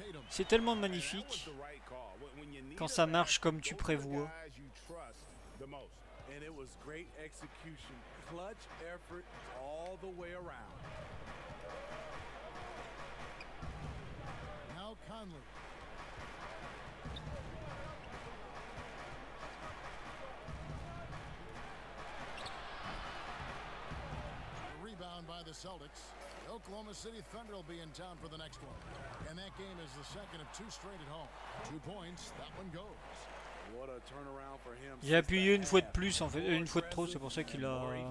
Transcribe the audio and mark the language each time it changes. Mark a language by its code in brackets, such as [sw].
[fr] C'est tellement magnifique quand ça marche comme tu prévois. [en] And it was great execution, clutch effort all the way around. Now Conley. Rebound by the Celtics. Oklahoma City Thunder will be in town for the next one. And that game is the second of two straight at home. 2 points, that one goes. What a turnaround for him. [fr] J'ai appuyé une fois de plus, en fait, une fois de trop, c'est pour ça qu'il a...